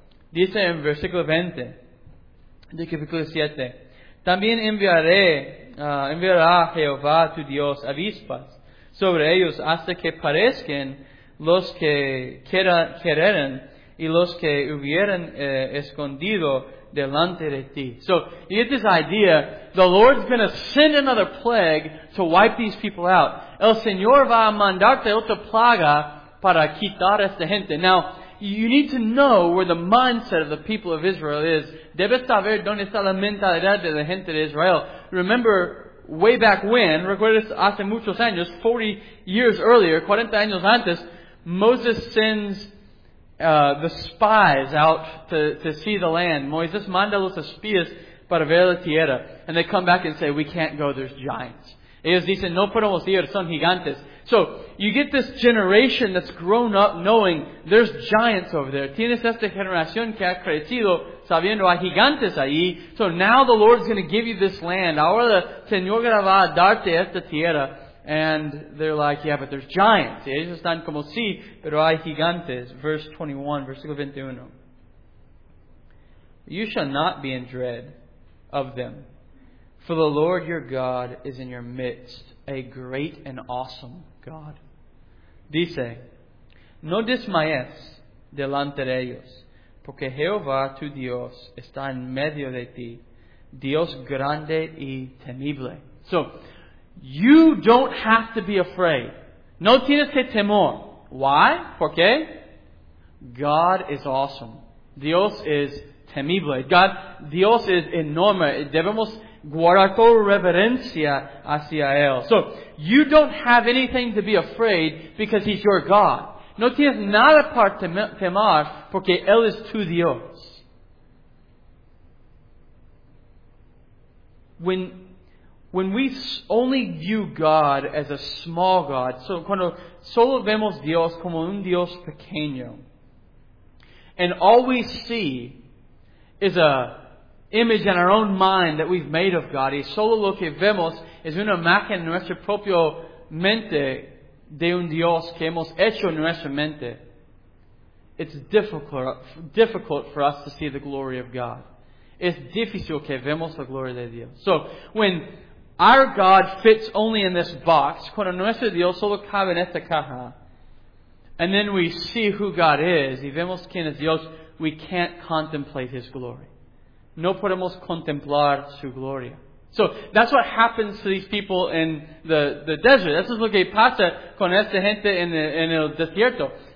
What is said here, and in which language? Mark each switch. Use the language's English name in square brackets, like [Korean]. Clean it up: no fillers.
[Spanish] Dice en versículo 20 de capítulo 7. También enviará Jehová tu Dios avispas sobre ellos hasta que parezcan los que quereren y los que hubieran escondido delante de ti. [English] So, you get this idea, the Lord's going to send another plague to wipe these people out. [Spanish] El Señor va a mandarte otra plaga para quitar esta gente. [English] Now, you need to know where the mindset of the people of Israel is. [Spanish] Debes saber dónde está la mentalidad de la gente de Israel. [English] Remember, way back when, [Spanish] recuerdas hace muchos años, [English] 40 years earlier, [Spanish] 40 años antes, [English] Moses sends the spies out to see the land. [Spanish] Moisés manda los espías para ver la tierra. [English] And they come back and say, we can't go, there's giants. [Spanish] Ellos dicen, no podemos ir, son gigantes. [English] So, you get this generation that's grown up knowing there's giants over there. [Spanish] Tienes esta generación que ha crecido sabiendo hay gigantes ahí. [English] So now the Lord's going to give you this land. [Spanish] Ahora el Señor va a darte esta tierra. [English] And they're like, yeah, but there's giants. [Spanish] Y ellos están como, sí, pero hay gigantes. [English] Verse 21, [Spanish] versículo 21. [English] You shall not be in dread of them. For the Lord your God is in your midst, a great and awesome God. [Spanish] Dice, no desmayes delante de ellos, porque Jehová tu Dios está en medio de ti, Dios grande y temible. [English] So, you don't have to be afraid. [Spanish] No tienes que temor. [English] Why? [Spanish] ¿Por qué? [English] God is awesome. [Spanish] Dios es temible. God, Dios es enorme. Debemos guardar toda reverencia hacia Él. [English] So, you don't have anything to be afraid because He's your God. [Spanish] No tienes nada para temor porque Él es tu Dios. [English] When we only view God as a small God, so [Spanish] cuando solo vemos Dios como un Dios pequeño, [English] and all we see is a image in our own mind that we've made of God. [Spanish] Y solo lo que vemos es una imagen en nuestra propia mente de un Dios que hemos hecho en nuestra mente. [English] It's difficult for us to see the glory of God. [Spanish] Es difícil que vemos la gloria de Dios. [English] So, when our God fits only in this box, [Spanish] cuando nuestro Dios solo cabe en esta caja, [English] and then we see who God is, [Spanish] y vemos quién es Dios, [English] we can't contemplate His glory. [Spanish] No podemos contemplar su gloria. [English] So, that's what happens to these people in the desert. [Spanish] Eso es lo que pasa con esta gente en el desierto.